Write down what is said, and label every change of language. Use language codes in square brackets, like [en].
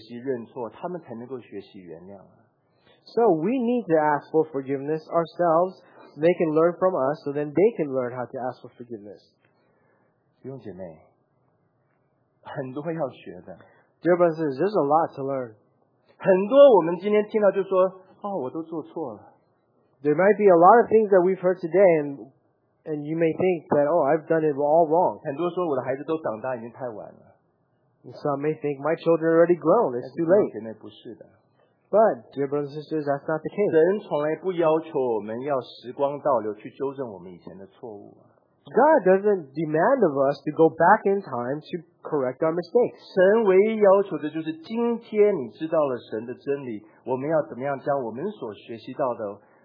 [zh] 我们要学习向孩子认错，我们要学习原谅他们，他们才能够学习认错，他们才能够学习原谅。So [en] we need to ask for forgiveness ourselves. They can learn from us, so then they can learn how to ask for forgiveness. [zh] 弟兄姐妹，很多要学的。Dear [en] brothers, there's a lot to learn. [zh] 很多我们今天听到就说，哦，我都做错了。 [en] There might be a lot of things that we've heard today, and you may think that, oh, I've done it all wrong. Some may think, my children are already grown, it's too late. But, dear brothers and sisters, that's not the case. [zh] 人从来不要求我们要时光倒流去纠正我们以前的错误。 [en] God doesn't demand of us to go back in time to correct our mistakes. [zh] 神唯一要求的就是今天你知道了神的真理，我们要怎么样将我们所学习到的